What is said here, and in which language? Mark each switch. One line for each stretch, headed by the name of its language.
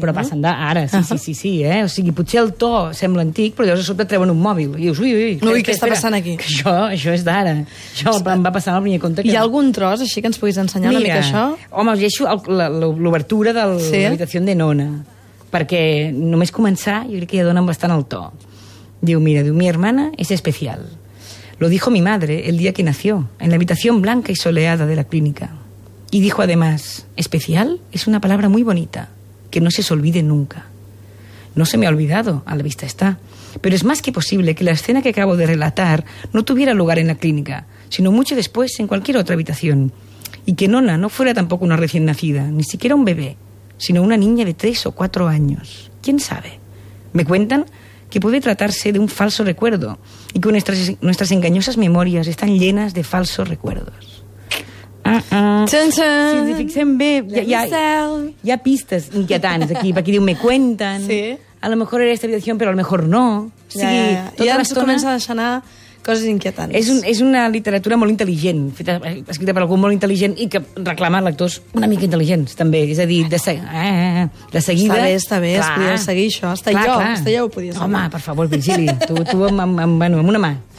Catalan: Però passen d'ara, sí. O sigui, potser el to sembla antic, però llavors de sobte treuen un mòbil i dius, ui, què està passant aquí? Que això és d'ara. Això em va passar en el primer conte. Hi ha algun tros així que ens puguis ensenyar una mica això? Home, us llegeixo l'obertura de l'habitació de Nona, perquè només començar jo crec que ja donen bastant el to.
Spanish: Diu, mi hermana es especial. Lo dijo mi madre el día que nació, en la habitación blanca y soleada de la clínica. Y dijo además, especial es una palabra muy bonita, que no se os olvide nunca. No se me ha olvidado, a la vista está. Pero es más que posible que la escena que acabo de relatar no tuviera lugar en la clínica, sino mucho después en cualquier otra habitación. Y que Nona no fuera tampoco una recién nacida, ni siquiera un bebé, sino una niña de 3 o 4 años. ¿Quién sabe? Me cuentan que puede tratarse de un falso recuerdo y que nuestras engañosas memorias están llenas de falsos recuerdos.
Catalan: Si ens fixem bé, hi ha pistes inquietants aquí, perquè diu,
Spanish: me cuentan,
Catalan: sí.
Spanish: A lo mejor era esta habitación, pero a lo mejor no.
Catalan: Tota l'estona comença a deixar anar coses inquietants. És una literatura molt intel·ligent, escrita per algú molt intel·ligent i que reclama lectors una mica intel·ligents, també. És a dir, de seguida... Està bé, es podia seguir això. Està clar. Ho podia seguir. Home, per favor, Virgili, tu amb una mà.